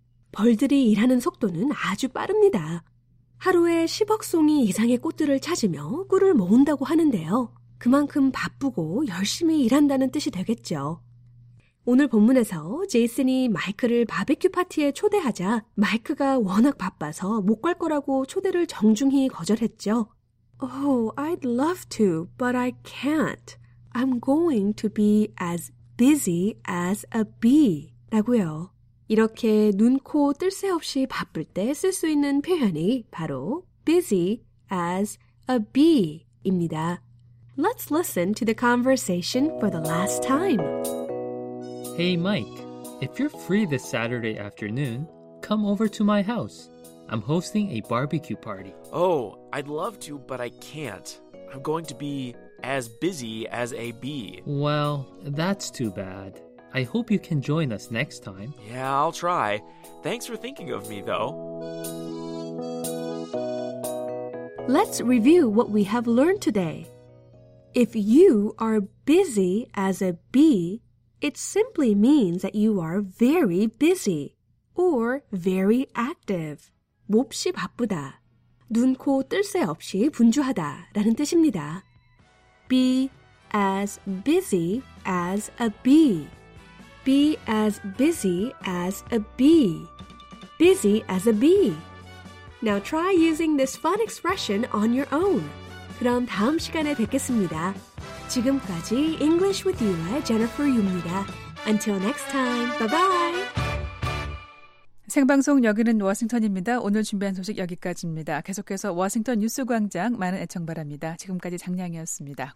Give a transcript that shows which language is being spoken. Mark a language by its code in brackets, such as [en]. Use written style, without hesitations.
[ko] 벌들이 일하는 속도는 아주 빠릅니다. 하루에 10억 송이 이상의 꽃들을 찾으며 꿀을 모은다고 하는데요. 그만큼 바쁘고 열심히 일한다는 뜻이 되겠죠. 오늘 본문에서 제이슨이 마이크를 바베큐 파티에 초대하자 마이크가 워낙 바빠서 못 갈 거라고 초대를 정중히 거절했죠. [en] Oh, I'd love to, but I can't. I'm going to be as busy as a bee. [ko] 라고요. 이렇게 눈, 코 뜰 새 없이 바쁠 때 쓸 수 있는 표현이 바로 [en] busy as a bee [ko] 입니다. [en] Let's listen to the conversation for the last time. Hey, Mike, if you're free this Saturday afternoon, come over to my house. I'm hosting a barbecue party. Oh, I'd love to, but I can't. I'm going to be as busy as a bee. Well, that's too bad. I hope you can join us next time. Yeah, I'll try. Thanks for thinking of me, though. Let's review what we have learned today. If you are busy as a bee, it simply means that you are very busy or very active. [ko] 몹시 바쁘다, 눈, 코, 뜰 새 없이 분주하다 라는 뜻입니다. [en] Be as busy as a bee. Be as busy as a bee. Busy as a bee. Now try using this fun expression on your own. [ko] 그럼 다음 시간에 뵙겠습니다. 지금까지 English with You의 Jennifer Yu입니다. [en] Until next time, bye-bye! [ko] 생방송 여기는 워싱턴입니다. 오늘 준비한 소식 여기까지입니다. 계속해서 워싱턴 뉴스 광장 많은 애청 바랍니다. 지금까지 장량이었습니다.